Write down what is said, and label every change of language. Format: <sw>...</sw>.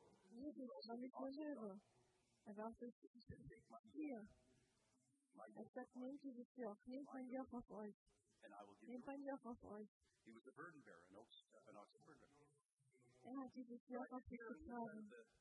<en>Jesus, but also the ox of God. He said, take my yoke.</en> <de>Es sagt, nehmt diese Joch, nehmt mein Joch auf euch. Nehmt mein Joch auf euch.</de> <en>He was a burden bearer, an ox, an ox burden.</en> <de>Er hat dieses Joch auf sich getragen.</de>